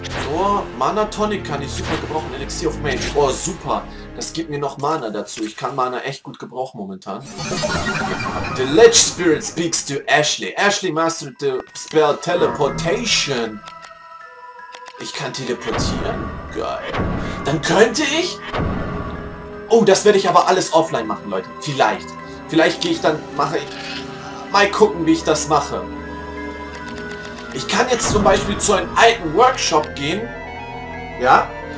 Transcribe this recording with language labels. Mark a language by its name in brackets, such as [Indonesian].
[German] Oh, Mana Tonic kann ich super gebrauchen. Elixir of Mage. Oh, super. Das gibt mir noch Mana dazu. Ich kann Mana echt gut gebrauchen momentan. [English] The Ledge Spirit speaks to Ashley. Ashley mastered the spell Teleportation. [German] Ich kann teleportieren. Geil. Dann könnte ich... Oh, das werde ich aber alles offline machen, Leute. Vielleicht. Vielleicht gehe ich dann... Mache ich... Mal gucken, wie ich das mache. Ich kann jetzt zum Beispiel zu einem alten Workshop gehen. Ja?